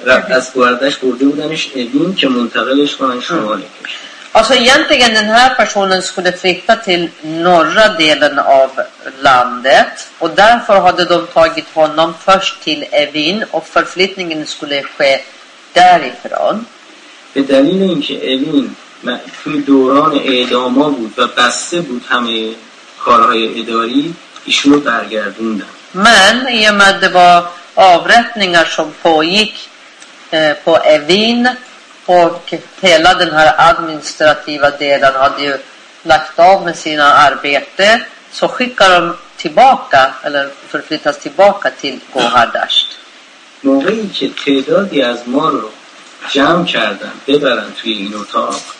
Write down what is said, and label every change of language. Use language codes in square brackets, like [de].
[fa] از گوهردشت برده بودنش اوین که منتقلش کنن شمال کشور. [sv] Alltså egentligen den här personen skulle flytta till norra delen av landet och därför hade de tagit honom först till Evin och förflyttningen skulle ske därifrån. [fa] به دلیل اینکه اوین توی دوران اعدام ها بود و بسته بود همه کارهای اداری، ایشون رو برگردوندن. من یه مده با [sv] avrättningar som pågick på Evin och hela den här administrativa delen hade ju lagt av med sina arbete, så skickar de tillbaka eller förflyttas tillbaka till Gohardasht. [fa] موقعی که تعدادی از ما رو جمع کردن ببرن توی این اتاق.